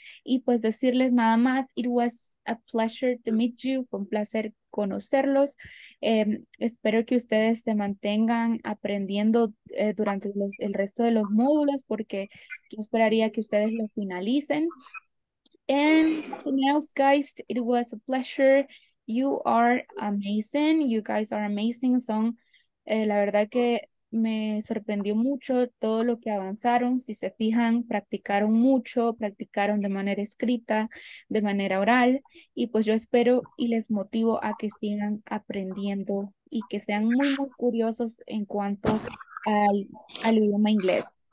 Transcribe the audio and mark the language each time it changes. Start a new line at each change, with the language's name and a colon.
Spanish: Y, pues, decirles nada más,
English: it was a pleasure to meet you.
Spanish: Fue un placer conocerlos. Espero que ustedes se mantengan aprendiendo durante el resto de los módulos porque yo esperaría que ustedes lo finalicen.
English: And anything else, guys, it was a pleasure. You are amazing. You guys are amazing.
Spanish: Son, la verdad que me sorprendió mucho todo lo que avanzaron. Si se fijan, practicaron mucho, practicaron de manera escrita, de manera oral. Y pues yo espero y les motivo a que sigan aprendiendo y que sean muy, muy curiosos en cuanto al idioma inglés.